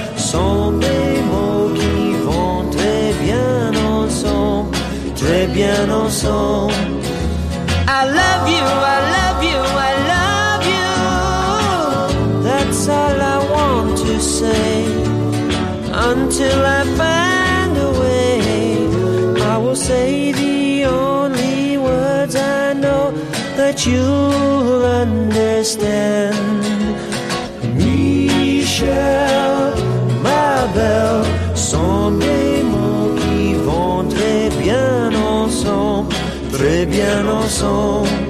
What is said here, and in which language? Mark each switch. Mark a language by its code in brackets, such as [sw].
[fr] Son des mots qui vont très bien ensemble, très bien ensemble. [en] I love you, I love you, I love you. That's all I want to say. Until I find a way, I will say the only words I know that you'll understand. [fr] Michelle, ma belle, sont des mots qui vont très bien ensemble, très bien ensemble.